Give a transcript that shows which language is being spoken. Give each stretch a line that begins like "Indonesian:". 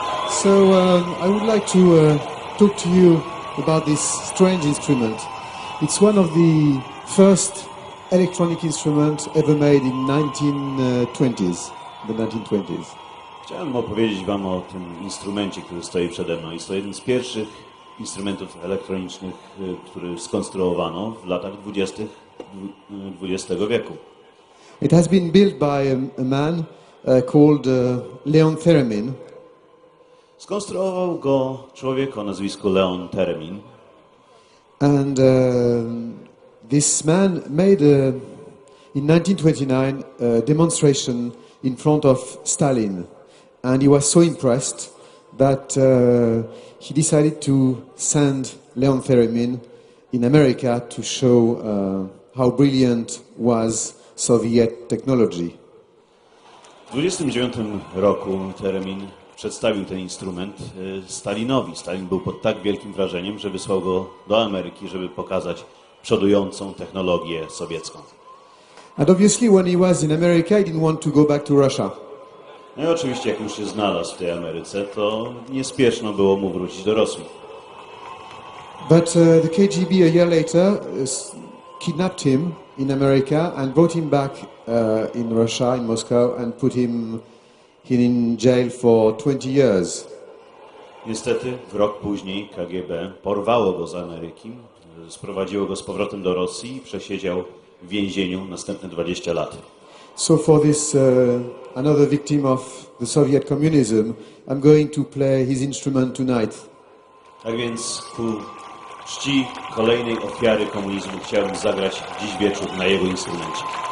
English: So I would like to talk to you about this strange instrument. It's one of the first electronic instruments ever made in the 1920s.
Polish: Chciałem opowiedzieć wam o tym instrumencie, który stoi przede mną. Jest to jeden z pierwszych instrumentów elektronicznych, który skonstruowano w latach 20. XX wieku.
English: It has been built by a man called Leon Theremin.
Polish: Skonstruował go człowiek o nazwisku Leon Theremin.
English: And this man made in 1929 a demonstration in front of Stalin. And he was so impressed that he decided to send Leon Theremin in America to show how brilliant was Soviet technology.
Polish: W 29 roku Theremin przedstawił ten instrument Stalinowi. Stalin był pod tak wielkim wrażeniem, że wysłał go do Ameryki, żeby pokazać przodującą technologię sowiecką.
English: And obviously when he was in America, he didn't want to go back to Russia.
Polish: No i oczywiście jak już się znalazł w tej Ameryce, to niespieszno było mu wrócić do Rosji.
English: But the KGB a year later kidnapped him in America and brought him back in Russia, in Moscow, and put him in jail for 20 years.
Polish: Niestety, w rok później KGB porwało go z Ameryki, sprowadziło go z powrotem do Rosji i przesiedział w więzieniu następne 20 lat.
English: So for this another victim of the Soviet communism, I'm going to play his instrument tonight.
Polish: Tak więc ku czci kolejnej ofiary komunizmu chciałbym zagrać dziś wieczór na jego instrumencie.